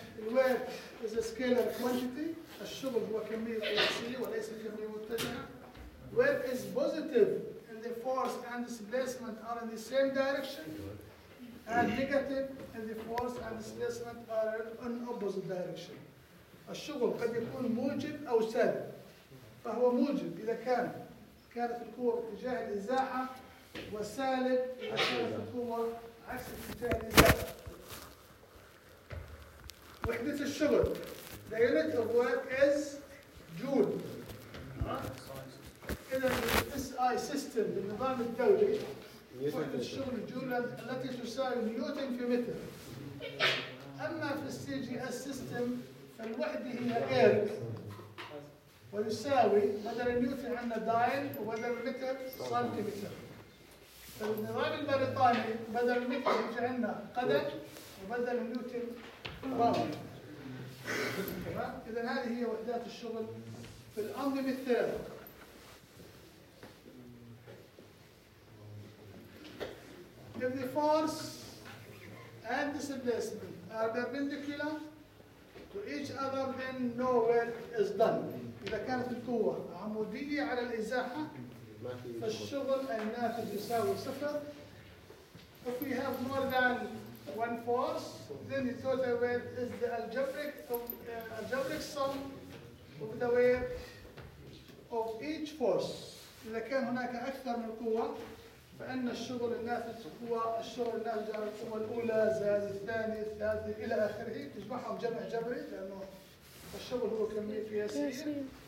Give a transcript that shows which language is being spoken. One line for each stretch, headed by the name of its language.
English: Work is a scalar quantity.
Arabic: الشغل هو كمية قياسية وليس كمية متجهة.
English: Work is positive, and the force and displacement are in the same direction. And negative, and the force and displacement are in opposite direction.
Arabic: الشغل قد يكون موجب أو سالب. فهو موجب إذا كان كانت القوة باتجاه الإزاحة وسالب إذا كانت القوة عكس اتجاه الإزاحة. وحدة الشغل.
English: The unit of work is joule.
Arabic: إذا SI system بالنظام الدولي وحدة الشغل جول التي تساوي نيوتن في متر. أما في السي جي اس سيستم فالوحدة هي ايرك ويساوي بدل النيوتن عندنا دايل وبدل المتر سنتيمتر. فالنظام البريطاني بدل المتر يجي عندنا قدم وبدل النيوتن باوند. تمام؟ إذا هذه هي وحدات الشغل في الأنظمة الثلاثة.
English: If the force and displacement are perpendicular to each other, then no work is done.
Arabic: إذا كانت القوة عمودية على الإزاحة فالشغل النافذ يساوي صفر.
English: If we have more than one force, then the total work is the algebraic sum of the work of each force.
Arabic: إذا كان هناك أكثر من القوة فإن الشغل النافذ هو الشغل النافذ على القوة الأولى زائد الثانية الثالثة إلى آخره، تجمعهم جمع جبري لأنه الشغل هو كمية قياسية.